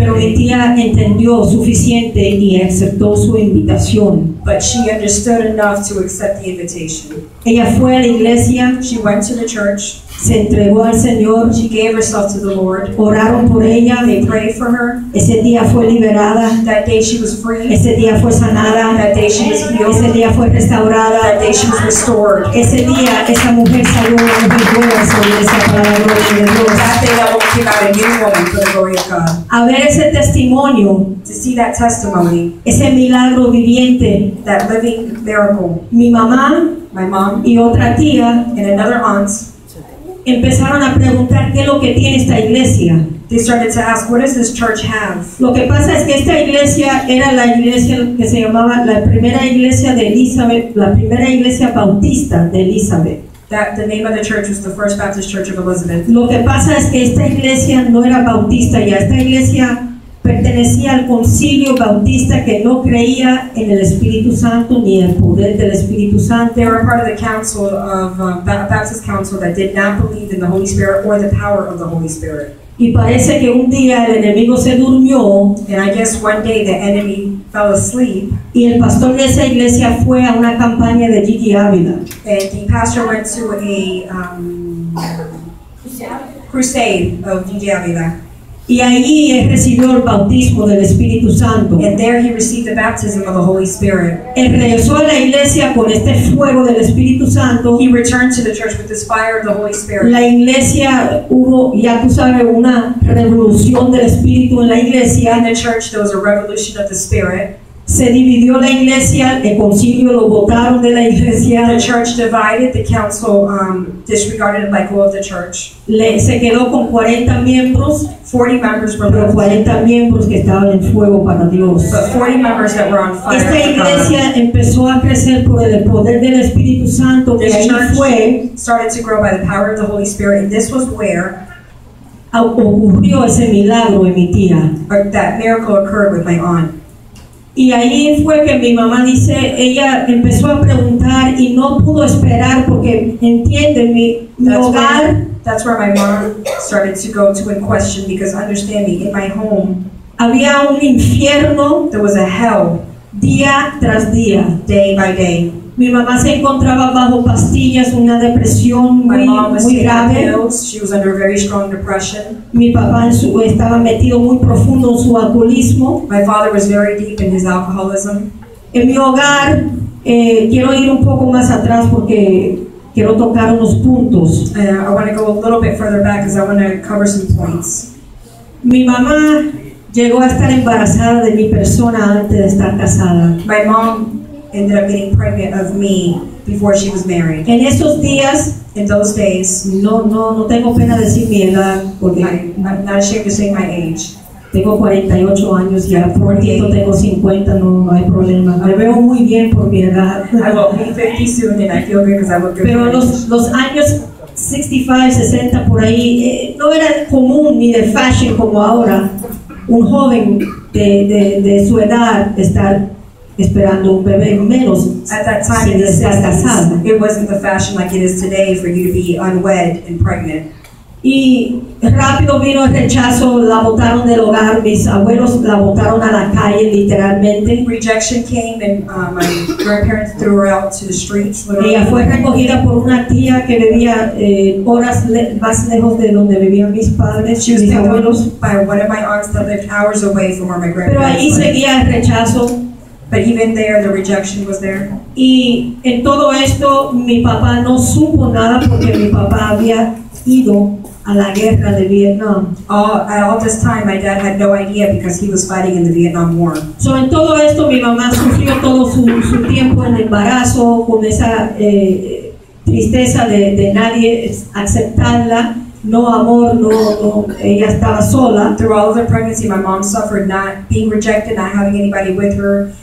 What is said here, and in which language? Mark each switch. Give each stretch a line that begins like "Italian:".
Spanish: Pero mi tía entendió suficiente y aceptó su invitación.
English: But she understood enough to accept the invitation.
Spanish: Ella fue a la iglesia.
English: She went to the church.
Spanish: Se entregó al Señor.
English: She gave herself to the Lord.
Spanish: Oraron por ella.
English: They prayed for her.
Spanish: Ese día fue liberada.
English: That day she was free.
Spanish: Ese día fue sanada.
English: That day she was healed.
Spanish: Ese día fue restaurada.
English: That day she was restored.
Spanish: Ese día esa mujer salió una mujer buena sobre esa palabra de Dios.
English: That day that woman came out a new woman for the glory of God.
Spanish: A ver ese testimonio.
English: To see that testimony.
Spanish: Ese milagro viviente.
English: That living miracle.
Spanish: Mi mamá.
English: My mom.
Spanish: Y otra tía.
English: And another aunt.
Spanish: Empezaron a preguntar qué es lo que tiene esta iglesia.
English: They started to ask, what does this church have?
Spanish: Lo que pasa es que esta iglesia era la iglesia que se llamaba la primera iglesia de Elizabeth, la primera iglesia bautista de Elizabeth.
English: That the name of the church was the First Baptist Church of Elizabeth.
Spanish: Lo que pasa es que esta iglesia no era bautista ya. Esta iglesia pertenecía al concilio bautista que no creía en el Espíritu Santo ni el poder del Espíritu Santo.
English: They were part of the council of Baptist council that did not believe in the Holy Spirit or the power of the Holy Spirit.
Spanish: Y parece que un día el enemigo se durmió.
English: And I guess one day the enemy fell asleep.
Spanish: Y el pastor de esa iglesia fue a una campaña de Gigi Ávila.
English: And the pastor went to a crusade of DJ Avila.
Spanish: Y ahí él recibió el bautismo del Espíritu Santo.
English: And there he received the baptism of the Holy Spirit.
Spanish: Él regresó a la iglesia con este fuego del Espíritu Santo.
English: He returned to the church with this fire of the Holy Spirit.
Spanish: La iglesia hubo, ya tú sabes, una revolución del Espíritu en la iglesia.
English: In the church there was a revolution of the Spirit.
Spanish: Se dividió la iglesia, el concilio lo botaron de la iglesia.
English: The church divided, the council disregarded by go of the church.
Spanish: Se quedó con 40 miembros,
English: 40 members were
Spanish: pero 40 miembros que estaban en fuego para Dios.
English: But 40 members that were on fire.
Spanish: Esta iglesia empezó a crecer por el poder del Espíritu Santo, que ahí fue
English: started to grow by the power of the Holy Spirit, and this was where
Spanish: ocurrió ese milagro en mi tía.
English: That miracle occurred with my aunt.
Spanish: Y ahí fue que mi mamá dice, ella empezó a preguntar y no pudo esperar porque entiende mi hogar.
English: That's where my mom started to go to in question because understand me, in my home
Spanish: había un infierno.
English: There was a hell.
Spanish: Día tras día.
English: Day by day.
Spanish: Mi mamá se encontraba bajo pastillas, una depresión muy grave.
English: She was under very strong depression.
Spanish: Mi papá estaba metido muy profundo en su alcoholismo.
English: My father was very deep in his alcoholism.
Spanish: En mi hogar, quiero ir un poco más atrás porque quiero tocar unos puntos.
English: I want to go a little bit further back because I want to cover some points.
Spanish: Mi mamá llegó a estar embarazada de mi persona antes de estar casada.
English: My mom ended up getting pregnant of me before she was married.
Spanish: En esos días,
English: in those days,
Spanish: no tengo pena decir mi edad porque
English: I'm not ashamed to say my age.
Spanish: Tengo 48 años ya. Por tanto, tengo 50, no hay problema. Me veo muy bien por mi edad.
English: I will be 50 soon and I feel good because I look good.
Spanish: Pero los años 65, 60 por ahí no era común ni de fashion como ahora un joven de su edad estar esperando un bebé menos.
English: At that time, it wasn't the fashion like it is today for you to be unwed and pregnant.
Spanish: Y rápido vino el rechazo, la botaron del hogar, mis abuelos la botaron a la calle, literalmente.
English: Rejection came and my grandparents threw her out to the streets.
Spanish: Ella fue recogida por una tía que vivía horas más lejos de donde vivían mis padres.
English: She was
Spanish: mis abuelos.
English: By one of my aunts that lived hours away from where my grandparents.
Spanish: Pero ahí seguía el rechazo.
English: But even there, the rejection was there.
Spanish: Y en todo esto, mi papá no supo nada porque mi papá había ido a la guerra de Vietnam.
English: At all this time, my dad had no idea because he was fighting in the Vietnam War.
Spanish: So en todo esto, mi mamá sufrió todo su tiempo en embarazo con esa tristeza de nadie aceptarla. No amor, no. Ella estaba sola.
English: Through all of her pregnancy, my mom suffered not being rejected, not having anybody with her.